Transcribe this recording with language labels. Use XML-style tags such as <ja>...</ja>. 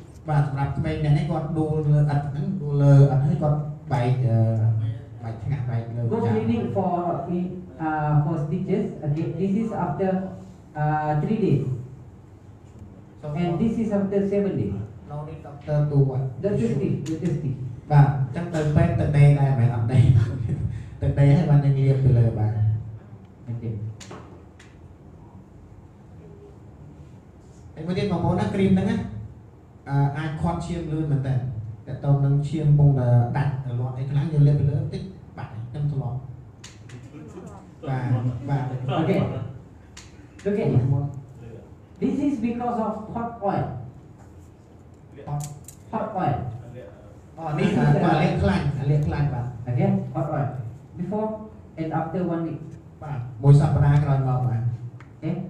<km>បាទសម្រាប់ក្មេងនេះគាត់ដួលលើអត់ហ្នឹងដួលលើអត់ហើយគាត់បែកបែកឆ្កាក់បែកលើ</km> <en>ចា Cleaning for for stitches this is after 3 days so and this is after 7 days តើតួ</en> <km>ដល់ទីទីទី បាទចាំទៅពេទ្យទៅដេដែរមិនអត់ដេទៅដេហើយបានងាកទៅលើបាទអីមួយទៀតបងប្អូនណាគ្រីមហ្នឹងអាចខាត់ឈាមលឿនមែនតើតើតោងនឹងឈាមពងដាក់ទៅលាត់អីខ្លះយកលាបទៅលើបន្តិចបាទខ្ញុំធ្លាប់បាទបាទ អូខេអូខេ</km> <en>This is because of hot oil. Hot oil.</en> <km>នេះគឺលេខខ្លាញ់បាទ</km> <en>Okay, before and after 1 week.</en> <km>មួយសប្តាហ៍ក្រោយមកបាទ</km>